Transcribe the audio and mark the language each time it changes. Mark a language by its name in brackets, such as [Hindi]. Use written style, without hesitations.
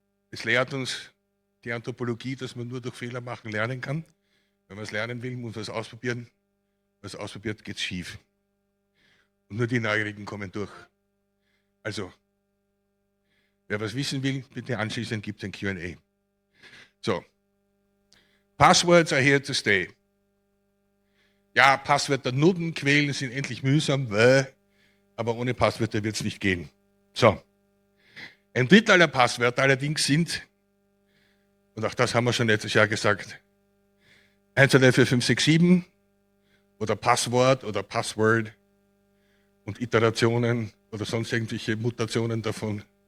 [German] Es lehrt uns die Anthropologie, dass man nur durch Fehler machen lernen kann. Wenn man es lernen will, muss man es ausprobieren. Was ausprobiert, geht schief. Und nur die Neugierigen kommen durch. Also, wer was wissen will, bitte anschließend gibt es ein Q&A. [English] So, Passwords are here to stay. [German] Ja, Passwörter nudden, quälen, sind endlich mühsam, aber ohne Passwörter wird es nicht gehen. So, ein Drittel aller Passwörter allerdings sind, und auch das haben wir schon letztes Jahr gesagt, 1234567 oder Passwort oder Password und Iterationen oder sonst irgendwelche Mutationen davon.